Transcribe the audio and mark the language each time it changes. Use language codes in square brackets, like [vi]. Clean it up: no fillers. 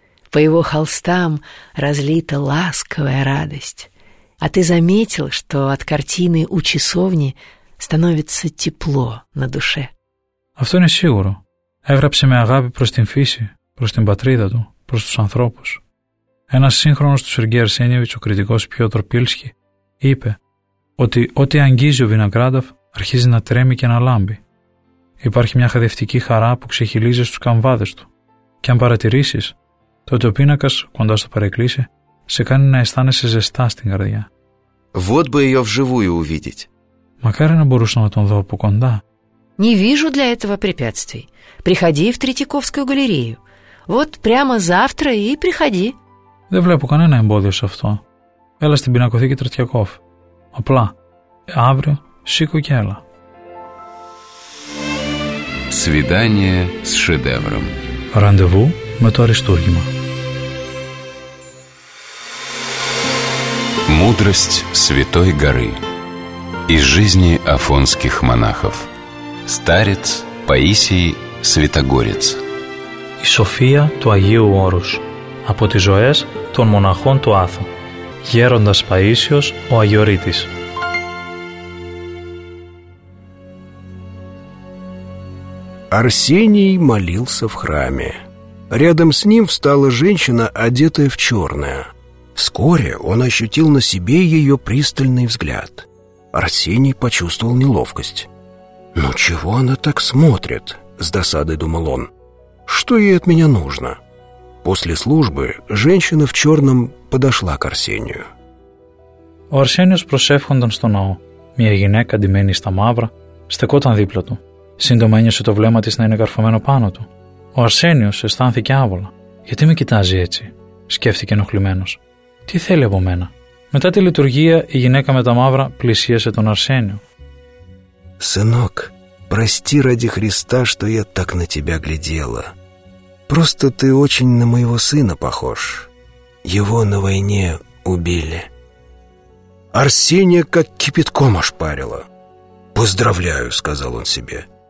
[ru] По его холстам разлита ласковая радость. А ты заметил, что от картины у часовни становится тепло на душе? [el] Αυτό είναι σίγουρο. Έγραψε με αγάπη προς την φύση, προς την πατρίδα του, προς τους ανθρώπους. Ένας σύγχρονος του Σεργέη Αρσένιεβιτς, ο κριτικός Πιότρ Πίλσκι, είπε ότι ό,τι αγγίζει ο Βιναγκράντοφ αρχίζει να τρέμει και να λάμπει. Υπάρχει μια χαδευτική χαρά που ξεχυλίζει στους καμβάδες του. Και αν παρατηρήσεις, τότε ο πίνακας κοντά στο παρεκκλήσι σε κάνει να αισθάνεσαι ζεστά στην καρδιά. [ru] Вот бы ее вживую увидеть. [el] Μακάρι να μπορούσα να τον δω από κοντά. [ru] Не вижу для этого препятствий. Приходи в Третьяковскую галерею. Вот прямо завтра и приходи. [el] Δεν βλέπω κανένα εμπόδιο σε αυτό. Έλα στην πινακοθήκη Τρετιακόφ. Απλά, αύριο, σήκω και έλα. [ru] Свидание с шедевром. [el] Ραντεβού με το αριστούργημα. [ru] Мудрость Святой Горы из жизни афонских монахов. Старец Паисий Святогорец. [el] И София του Αγίου Όρους από τις ζωές των μοναχών του Άθου. Γέροντας Παΐσιος ο Αγιορείτης. [ru] Арсений молился в храме. Рядом с ним встала женщина, одетая в чёрное. Вскоре он ощутил на себе ее пристальный взгляд. Арсений почувствовал неловкость. «Но чего она так смотрит?» – с досадой думал он. «Что ей от меня нужно?» После службы женщина в черном подошла к Арсению. [el] Ο Арсένιος προσεύχονταν στο ναό. Μια γυναίκα, ντυμένη στα μαύρα, στεκόταν δίπλα του. Σύντομα ένιωσε το βλέμμα της να είναι καρφωμένο πάνω του. Ο Αρσένιος αισθάνθηκε άβολα. «Γιατί με κοιτάζει έτσι?» σκέφτηκε ενοχλημένος. Τι θέλει από μένα? Μετά τη λειτουργία, η γυναίκα με τα μαύρα πλησίασε τον Αρσένιο. [ru] «Сынок, прости ради Христа, что я так на тебя глядела. Просто ты очень на моего сына похож. Его на войне убили». Арсения как кипятком ошпарила. «Поздравляю», — сказал он себе.